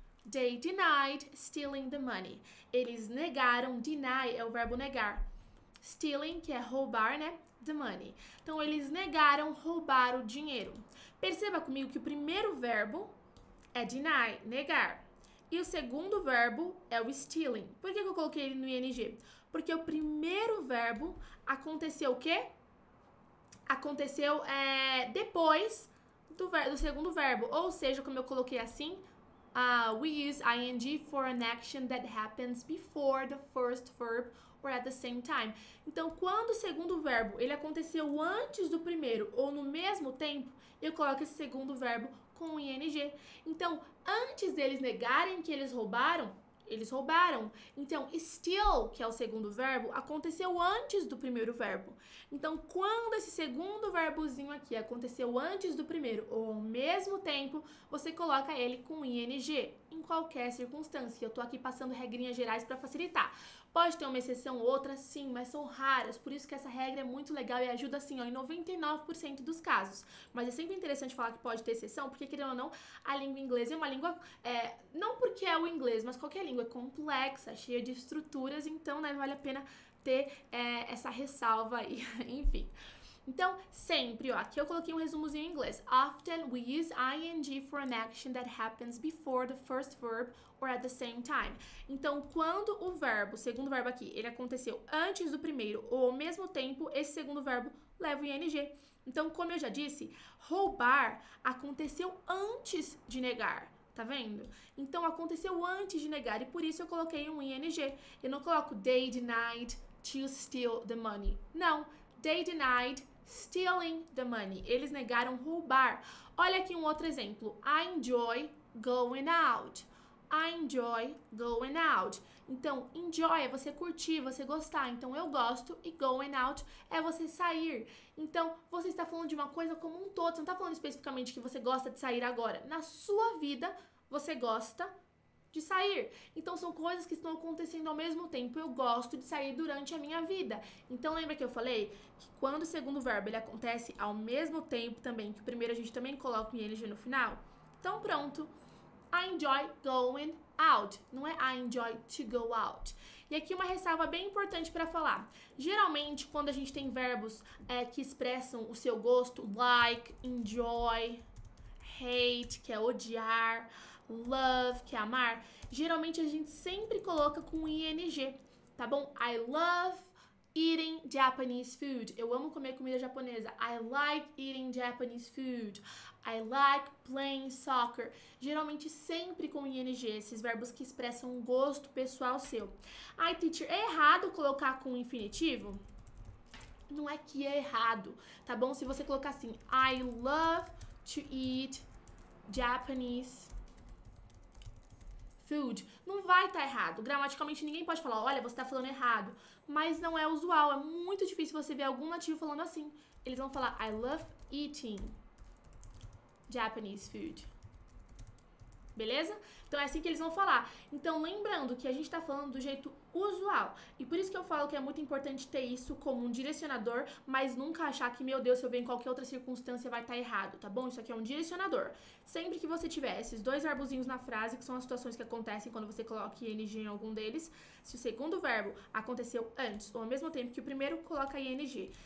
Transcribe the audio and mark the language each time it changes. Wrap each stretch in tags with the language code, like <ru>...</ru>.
<en>They denied stealing the money.</en> <pt>Eles negaram, deny é o verbo negar. Stealing, que é roubar, né?</pt> <en>The money.</en> <pt>Então, eles negaram roubar o dinheiro. Perceba comigo que o primeiro verbo é deny, negar. E o segundo verbo é o stealing. Por que que eu coloquei ele no ing? Porque o primeiro verbo aconteceu o quê? Aconteceu depois do segundo verbo. Ou seja, como eu coloquei assim.</pt> <en>We use ing for an action that happens before the first verb or at the same time.</en> <pt>Então, quando o segundo verbo ele aconteceu antes do primeiro ou no mesmo tempo, eu coloco esse segundo verbo com ing. Então, antes deles negarem que eles roubaram. Então, steal, que é o segundo verbo, aconteceu antes do primeiro verbo. Então, quando esse segundo verbozinho aqui aconteceu antes do primeiro ou ao mesmo tempo, você coloca ele com ing em qualquer circunstância. Eu tô aqui passando regrinhas gerais para facilitar. Pode ter uma exceção ou outra, sim, mas são raras. Por isso que essa regra é muito legal e ajuda, assim, ó, em 99% dos casos. Mas é sempre interessante falar que pode ter exceção, porque, querendo ou não, a língua inglesa é uma língua. Não porque é o inglês, mas qualquer língua é complexa, cheia de estruturas. Então, né, vale a pena ter, essa ressalva aí. Enfim. Então, sempre, ó, aqui eu coloquei um resumozinho em inglês.</pt> <en>Often we use ing for an action that happens before the first verb or at the same time.</en> <pt>Então, quando o verbo, segundo verbo aqui, ele aconteceu antes do primeiro ou ao mesmo tempo, esse segundo verbo leva o ing. Então, como eu já disse, roubar aconteceu antes de negar. Tá vendo? Então aconteceu antes de negar e por isso eu coloquei um ing. Eu não coloco</pt> <en>they denied to steal the money.</en> <pt>Não.</pt> <en>They denied stealing the money.</en> <pt>Eles negaram roubar. Olha aqui um outro exemplo.</pt> <en>I enjoy going out. I enjoy going out.</en> <pt>Então, enjoy é você curtir, você gostar. Então, eu gosto e going out é você sair. Então, você está falando de uma coisa como um todo. Você não está falando especificamente que você gosta de sair agora. Na sua vida, você gosta de sair. Então, são coisas que estão acontecendo ao mesmo tempo. Eu gosto de sair durante a minha vida. Então, lembra que eu falei que quando o segundo verbo ele acontece ao mesmo tempo também, que o primeiro a gente também coloca o ing no final? Então, pronto.</pt> <en>I enjoy going out.</en> <pt>Não é</pt> <en>I enjoy to go out.</en> <pt>E aqui uma ressalva bem importante para falar. Geralmente, quando a gente tem verbos que expressam o seu gosto, like, enjoy, hate, que é odiar, love, que é amar, geralmente a gente sempre coloca com ing, tá bom?</pt> <en>I love eating Japanese food.</en> <pt>Eu amo comer comida japonesa.</pt> <en>I like eating Japanese food. I like playing soccer.</en> <pt>Geralmente sempre com ing, esses verbos que expressam um gosto pessoal seu. Ai, teacher, é errado colocar com infinitivo? Não é que é errado, tá bom? Se você colocar assim,</pt> <en>I love to eat Japanese food,</en> <pt>não vai estar errado. Gramaticalmente ninguém pode falar, olha, você está falando errado. Mas não é usual, é muito difícil você ver algum nativo falando assim. Eles vão falar,</pt> <en>I love eating Japanese food.</en> <pt>Beleza? Então é assim que eles vão falar. Então lembrando que a gente está falando do jeito usual. E por isso que eu falo que é muito importante ter isso como um direcionador, mas nunca achar que, meu Deus, se eu ver em qualquer outra circunstância vai estar errado, tá bom? Isso aqui é um direcionador. Sempre que você tiver esses dois verbozinhos na frase, que são as situações que acontecem quando você coloca ing em algum deles, se o segundo verbo aconteceu antes ou ao mesmo tempo que o primeiro, coloca ing.</pt>